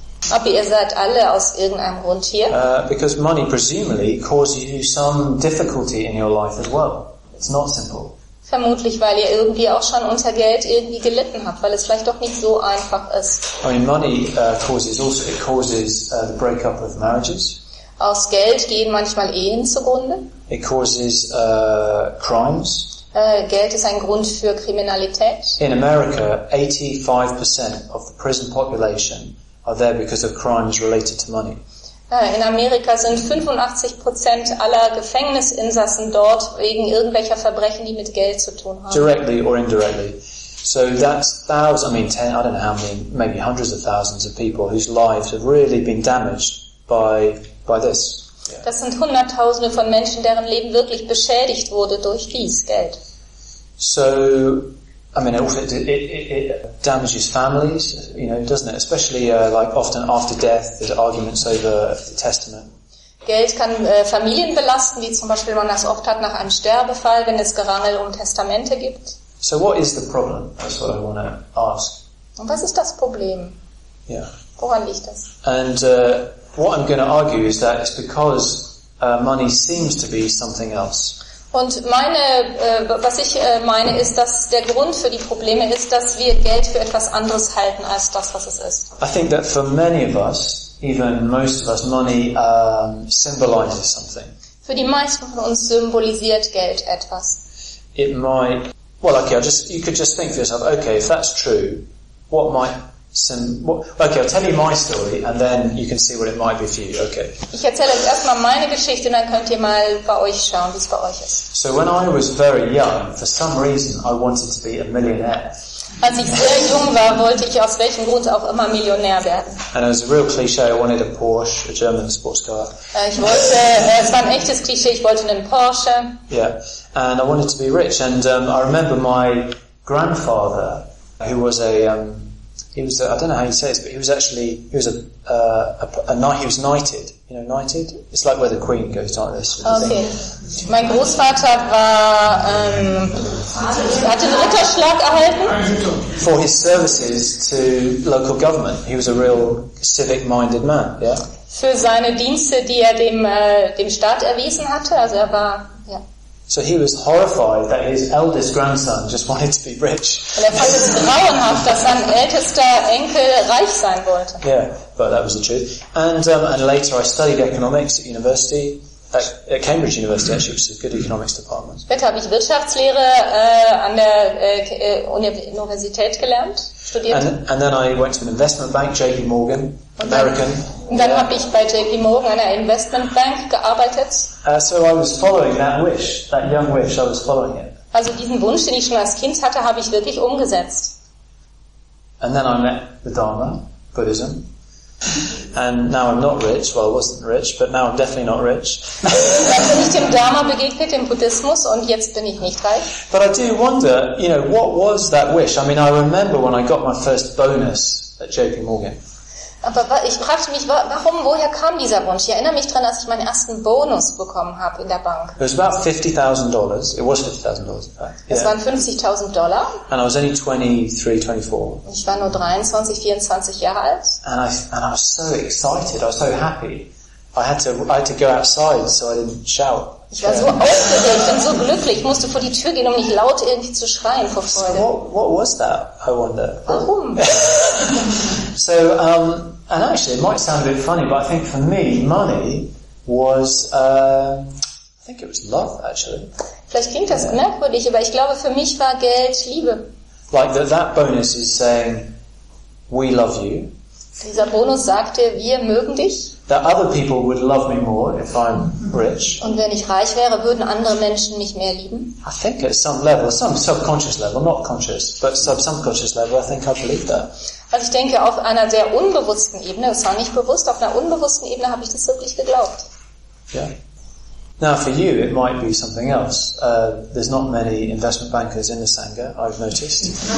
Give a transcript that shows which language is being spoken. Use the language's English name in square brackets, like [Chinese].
[German] Aber ihr seid alle aus irgendeinem Grund hier. [English] Because money presumably causes you some difficulty in your life as well. It's not simple. [German] Vermutlich, weil ihr irgendwie auch schon unter Geld irgendwie gelitten habt, weil es vielleicht doch nicht so einfach ist. [English] I mean, money causes the breakup of marriages. [German] Aus Geld gehen manchmal Ehen zugrunde. [English] It causes crimes. [German] Geld ist ein Grund für Kriminalität. [English] In America, 85% of the prison population are there because of crimes related to money. [German] In Amerika sind 85% aller Gefängnisinsassen dort wegen irgendwelcher Verbrechen, die mit Geld zu tun haben. [English] Directly or indirectly. So that's thousands, I don't know how many, maybe hundreds of thousands of people whose lives have really been damaged by this. [German] Das sind Hunderttausende von Menschen, deren Leben wirklich beschädigt wurde durch dieses Geld. [English] So, I mean, it damages families, you know, doesn't it? Especially like often after death, there's arguments over the testament. [German] Geld kann Familien belasten, wie zum Beispiel man das oft hat nach einem Sterbefall, wenn es Gerangel um Testamente gibt. [English] So what is the problem? That's what I want to ask. [German] Und was ist das Problem? [English] Yeah. [German] Woran liegt das? [English] And what I'm going to argue is that it's because money seems to be something else. [German] Und meine, was ich meine, ist, dass der Grund für die Probleme ist, dass wir Geld für etwas anderes halten als das, was es ist. [English] I think that for many of us, even most of us, money symbolizes something. [German] Für die meisten von uns symbolisiert Geld etwas. [English] It might, well, okay, you could just think to yourself, okay, if that's true, what might okay, I'll tell you my story, and then you can see what it might be for you. Okay. [German] Ich erzähle euch erstmal meine Geschichte, und dann könnt ihr mal bei euch schauen, wie es bei euch ist. [English] So when I was very young, for some reason, I wanted to be a millionaire. [German] Als ich sehr jung war, wollte ich aus welchem Grund auch immer Millionär werden. [English] And it was a real cliche. I wanted a Porsche, a German sports car. [German] Ich wollte. Es war ein echtes Klischee. Ich wollte einen Porsche. [English] Yeah, and I wanted to be rich. And I remember my grandfather, who was a knighted. You know, knighted? It's like where the Queen goes like this. [German] Okay. Mein Großvater war, hat den Ritterschlag erhalten. [English] For his services to local government. He was a real civic-minded man, yeah? [German] Für seine Dienste, die er dem Staat erwiesen hatte, also er war, ja. [English] So he was horrified that his eldest grandson just wanted to be rich. [German] Und er fand es grauenhaft, dass sein ältester Enkel reich sein wollte. [English] Yeah, but that was the truth. And later I studied economics at university, at Cambridge University actually, which is a good economics department. [German] Später habe ich Wirtschaftslehre an der Universität gelernt, studiert. [English] And then I went to an investment bank, J.P. Morgan, American. [German] Und dann habe ich bei J.P. Morgan, einer Investmentbank, gearbeitet. [English] So I was following that wish, that young wish, I was following it. [German] Also diesen Wunsch, den ich schon als Kind hatte, habe ich wirklich umgesetzt. [English] And then I met the Dharma, Buddhism. And now I'm not rich, well I wasn't rich, but now I'm definitely not rich. [German] Dann bin ich dem Dharma begegnet, dem Buddhismus, und jetzt bin ich nicht reich. [English] But I do wonder, you know, what was that wish? I mean, I remember when I got my first bonus at J.P. Morgan. [German] Aber ich fragte mich, warum, woher kam dieser Wunsch? Ich erinnere mich daran, dass ich meinen ersten Bonus bekommen habe in der Bank. [English] It was about $50,000. It was $50,000, in fact. [German] Es waren $50,000. [English] And I was only 23, 24. [German] Ich war nur 23, 24 Jahre alt. [English] And I was so excited, I was so happy. I had to go outside, so I didn't shout. [German] Ich war so aufgeregt und so glücklich. Ich musste vor die Tür gehen, um nicht laut irgendwie zu schreien vor Freude. [English] So what was that, I wonder? [German] Warum? [English] So, and actually, it might sound a bit funny, but I think for me, money was, I think it was love, actually. [German] Vielleicht klingt das merkwürdig, aber ich glaube, für mich war Geld Liebe. [English] Like that bonus is saying, we love you. [German] Dieser Bonus sagte, wir mögen dich. [English] That other people would love me more if I'm rich. [German] Und wenn ich reich wäre, würden andere Menschen mich mehr lieben. [English] I think at some level, some subconscious level, not conscious, but subconscious level, I think I believe that. [German] Also ich denke, auf einer sehr unbewussten Ebene, es war nicht bewusst, auf einer unbewussten Ebene habe ich das wirklich geglaubt. [English] Yeah. Now for you, it might be something else. There's not many investment bankers in the Sangha, I've noticed.